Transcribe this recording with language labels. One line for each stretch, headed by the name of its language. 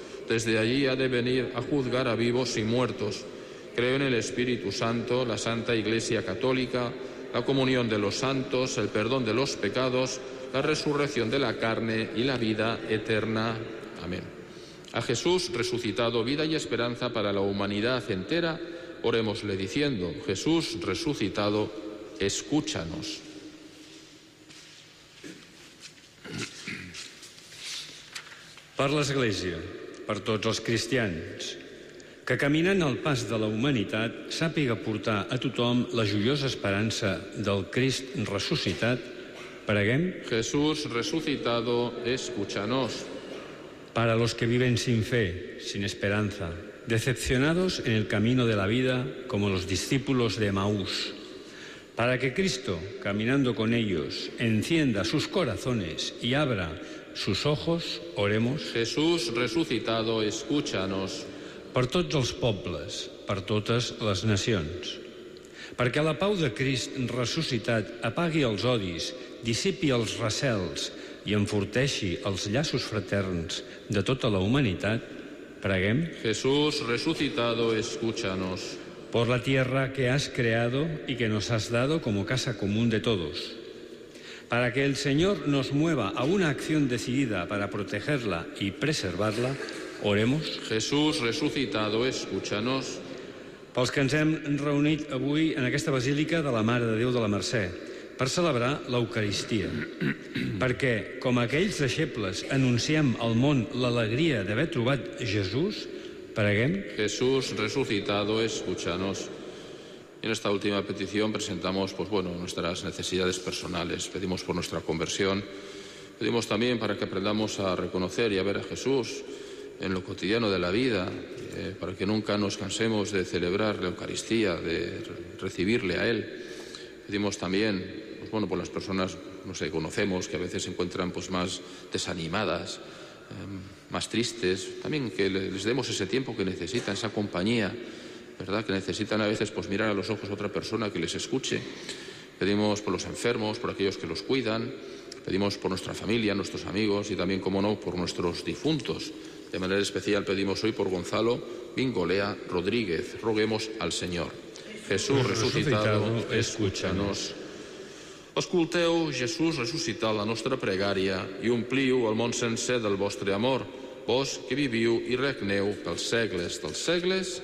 Spanish: Desde allí ha de venir a juzgar a vivos y muertos. Creo en el Espíritu Santo, la Santa Iglesia Católica, la comunión de los santos, el perdón de los pecados, la resurrección de la carne y la vida eterna. Amén. A Jesús resucitado, vida y esperanza para la humanidad entera, orémosle diciendo: Jesús resucitado, escúchanos.
Catalan: Per l'Església, per tots els cristians, que caminant al pas de la humanitat sàpiga portar a tothom la joiosa esperança del Crist ressuscitat, preguem.
Spanish: Jesús resucitado, escúchanos. Para los que viven sin fe, sin esperanza, decepcionados en el camino de la vida como los discípulos de Emaús, para que Cristo, caminando con ellos, encienda sus corazones y abra sus ojos, oremos. Jesús resucitado, escúchanos.
Catalan: Per tots els pobles, per totes les nacions. Perquè la pau de Crist ressuscitat apagui els odis, dissipi els recels i enforteixi els llaços fraterns de tota la humanitat, preguem.
Spanish: Jesús resucitado, escúchanos. Por la tierra que has creado y que nos has dado como casa común de todos. Para que el Señor nos mueva a una acción decidida para protegerla y preservarla, oremos. Jesús resucitado, escúchanos.
Catalan: Pels que ens hem reunit avui en aquesta basílica de la Mare de Déu de la Mercè per celebrar l'Eucaristia. Perquè, com aquells deixebles, anunciem al món l'alegria d'haver trobat Jesús, preguem.
Spanish: Jesús resucitado, escúchanos. En esta última petición presentamos, pues bueno, nuestras necesidades personales. Pedimos por nuestra conversión. Pedimos también para que aprendamos a reconocer y a ver a Jesús en lo cotidiano de la vida, para que nunca nos cansemos de celebrar la Eucaristía, de recibirle a Él. Pedimos también, pues bueno, por las personas, no sé, conocemos, que a veces se encuentran pues más desanimadas, más tristes, también que les demos ese tiempo que necesitan, esa compañía, ¿verdad?, que necesitan a veces pues mirar a los ojos a otra persona que les escuche. Pedimos por los enfermos, por aquellos que los cuidan. Pedimos por nuestra familia, nuestros amigos y también, como no, por nuestros difuntos. De manera especial pedimos hoy por Gonzalo Vingolea Rodríguez. Roguemos al Señor. Jesús resucitado, escúchanos.
Catalan: Escolteu, Jesús resucitat, la nostra pregària, i ompliu el món sencer del vostre amor, vos que viviu i regneu pels segles dels segles.